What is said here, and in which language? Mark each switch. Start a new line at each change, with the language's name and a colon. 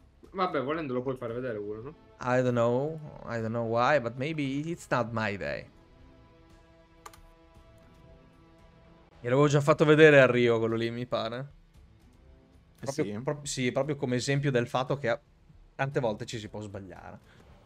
Italian: Vabbè, volendo lo puoi fare vedere pure, no?
English: I don't know why, but maybe it's not my day.
Italian: Gliel'avevo già fatto vedere a Rio, quello lì, mi pare. Proprio, sì. Sì, proprio come esempio del fatto che tante volte ci si può sbagliare.